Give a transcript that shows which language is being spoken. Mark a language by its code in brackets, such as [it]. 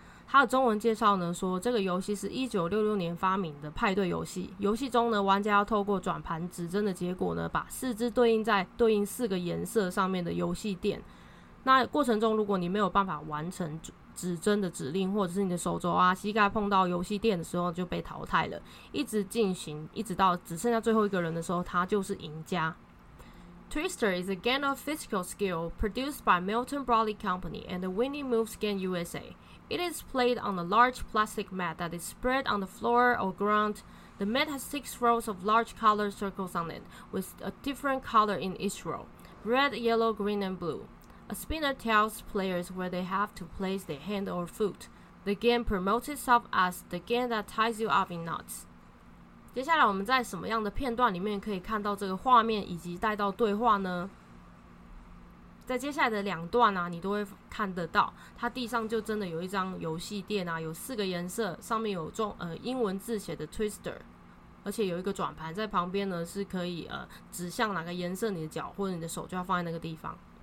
[zh] 它的中文介绍呢说，这个游戏是1966年发明的派对游戏，游戏中呢玩家要透过转盘指针的结果呢，把四肢对应在对应四个颜色上面的游戏垫。那过程中如果你没有办法完成指针的指令，或者是你的手肘啊膝盖碰到游戏垫的时候就被淘汰了，一直进行一直到只剩下最后一个人的时候，他就是赢家。 [en] Twister is a game of physical skill produced by Milton Bradley Company and the Winning Moves Game USA. It is played on a large plastic mat that is spread on the floor or ground. The mat has 6 rows of large colored circles on it with a different color in each row: red, yellow, green and blueA spinner tells players where they have to place their hand or foot. The game promotes itself as the game that ties you up in knots. [zh] 接下来我们在什么样的片段里面可以看到这个画面以及带到对话呢？在接下来的两段啊，你都会看得到，它地上就真的有一张游戏垫啊，有四个颜色，上面有英文字写的 Twister， 而且有一个转盘在旁边呢，是可以指向哪个颜色，你的脚或者你的手就要放在那个地方。